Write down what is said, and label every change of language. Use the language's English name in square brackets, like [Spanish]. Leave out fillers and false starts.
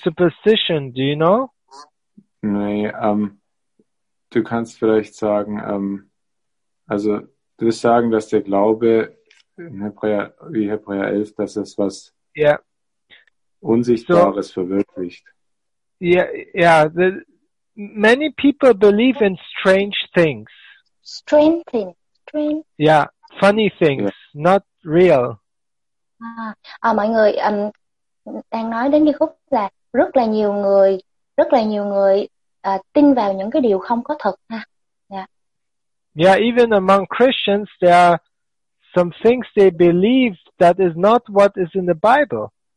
[English] Superstition. Do you know? [German] Nee, du kannst vielleicht sagen, also du wirst sagen, dass der Glaube in Hebräer, wie Hebräer 11, dass es was [English] yeah. [German] Unsichtbares so, verwirklicht. [English] Yeah, yeah. The, many people believe in strange things. Strange things. Strange. Yeah, funny things, yeah. Not real. [Vietnamese] À, mọi người đang nói đến cái khúc là rất là nhiều người tin vào những cái điều không có thật ha. [English] Yeah. Yeah, even among Christians there are some things they believe that is not what is in the Bible.